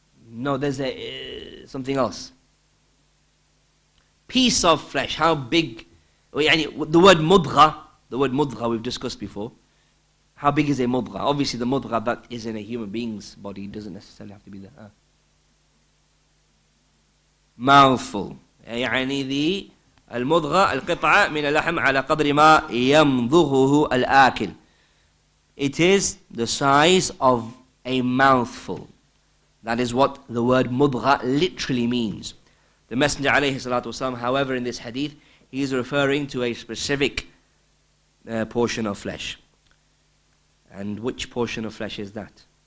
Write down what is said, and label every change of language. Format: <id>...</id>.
<en>No, there's a something else. Piece of flesh. How big? The word mudghah we've discussed before. How big is a mudghah? Obviously, the mudghah that is in a human being's body doesn't necessarily have to be there. Mouthful.</en> <ar>يعني the المضغة القطعة من اللحم على قدر ما يمضغه الآكل.</ar> <en>It is the size of a mouthful. That is what the word mudgha literally means. The Messenger alayhi salatu wasalam, however, in this hadith, he is referring to a specific portion of flesh. And which portion of flesh is that?</en>